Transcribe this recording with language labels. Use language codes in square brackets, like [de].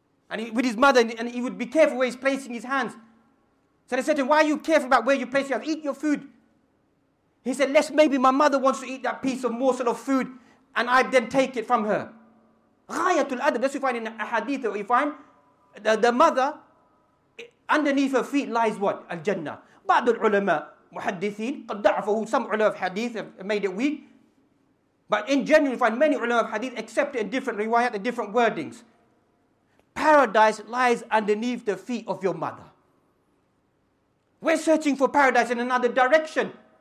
[en] And he, with his mother, and he would be careful where he's placing his hands. So they said to him, why are you careful about where you place your hands? Eat your food. He said, lest maybe my mother wants to eat that piece of morsel of food and I then take it from her. Ghayatul adab. That's what you find in a hadith that we find. The mother, underneath her feet lies what? Al-Jannah. [ar] بعض العلماء محدثين قد ضعفوا. [en] Some ulama of hadith have made it weak. But in general, you find many ulama of hadith accept it in different riwayat and different wordings. Paradise lies underneath the feet of your mother. We're searching for paradise in another direction.